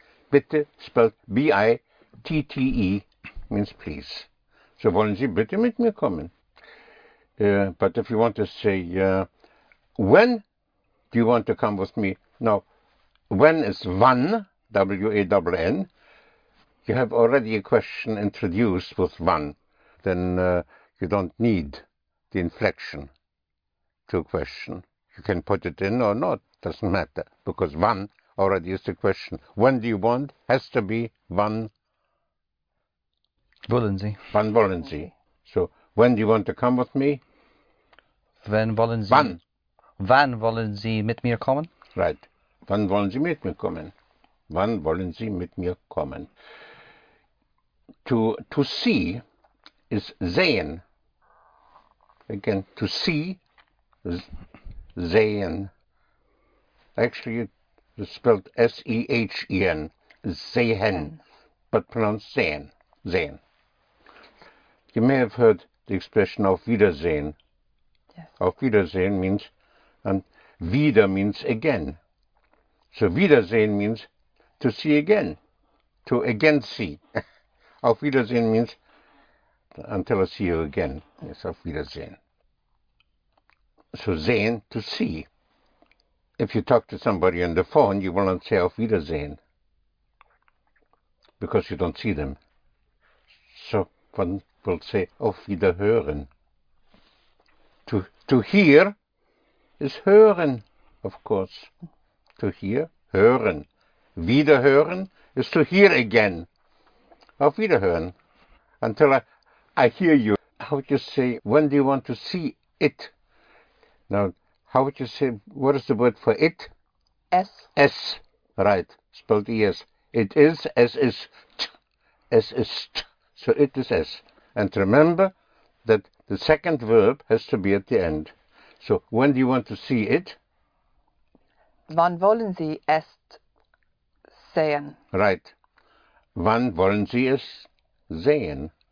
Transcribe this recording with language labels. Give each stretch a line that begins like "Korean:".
English: Bitte, spelled B-I-T-T-E, means please.
German: So wollen Sie bitte mit mir kommen?
English: But if you want to say, when do you want to come with me? Now, when is wann, W-A-N-N. You have already a question introduced with wann. Then you don't need the inflection to a question. You can put it in or not. Doesn't matter, because wann already is the question. When do you want? Has to be wann.
German: Wollen Sie. Wann wollen Sie.
English: So, when do you want to come with me?
German: Wann wollen Sie. Wann. Wann wollen Sie mit mir kommen?
English: Right.
German: Wann wollen Sie mit mir kommen? Wann wollen Sie mit mir kommen?
English: To see is sehen. Again, to see is sehen. Actually, it's spelled S-E-H-E-N, sehen, but pronounced sehen, sehen. You may have heard the expression auf Wiedersehen. Yes. Auf Wiedersehen means, and wieder means again. So Wiedersehen means to see again, to again see. Auf Wiedersehen means until I see you again. Yes, auf Wiedersehen. So sehen, to see. If you talk to somebody on the phone, you will not say auf Wiedersehen because you don't see them. So one will say auf Wiederhören. To hear is hören, of course. To hear, hören. Wiederhören is to hear again. Auf Wiederhören. Until I hear you. How would you say, when do you want to see it? Now, how would you say, what is the word for it?
German: S.
English: S, right, spelled E-S. It is, S is, t. S is, t. So it is S. And remember that the second verb has to be at the end. So when do you want to see it?
German: Wann wollen Sie es sehen?
English: Right.
German: Wann wollen Sie es sehen?